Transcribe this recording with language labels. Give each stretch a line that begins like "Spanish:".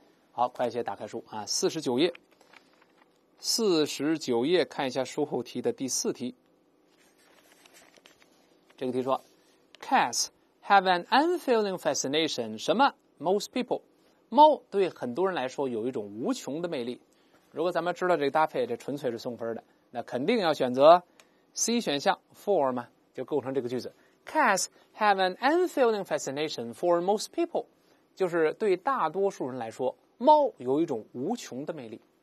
Chinese: 好，快一些打开书啊，49页看一下书后题的第四题。这个题说 Cass
English: have an unfailing fascination.
Chinese: 什么
English: ？Most people.
Chinese: 猫对很多人来说有一种无穷的魅力。如果咱们知道这个搭配，这纯粹是送分的，那肯定要选择 C 选项 for 嘛，就构成这个句子。
English: Cats have an unfailing fascination for most people.
Chinese: 就是对大多数人来说，猫有一种无穷的魅力。